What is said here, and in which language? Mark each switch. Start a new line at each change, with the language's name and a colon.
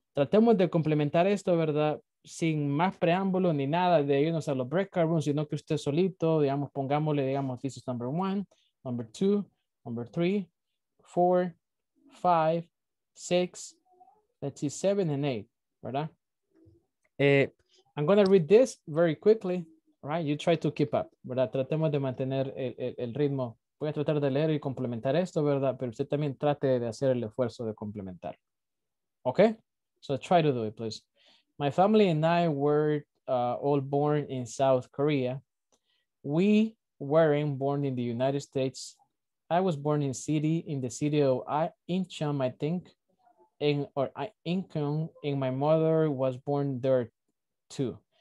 Spanish: Tratemos de complementar esto, ¿verdad? Sin más preámbulo ni nada de irnos a los breakout rooms, sino que usted solito, digamos, pongámosle, digamos,
English: this is number one, number two, number three, four, five, six, let's see, seven and eight,
Spanish: ¿verdad?
English: I'm going to read this very quickly, right? You try to keep up,
Spanish: ¿verdad? Tratemos de mantener el ritmo. Voy a tratar de leer y complementar esto, ¿verdad? Pero usted también trate de hacer el esfuerzo de complementar.
English: Okay? So try to do it, please. My family and I were all born in South Korea. We weren't born in the United States. I was born in the city of Incheon, I think, Incheon, and my mother was born there too.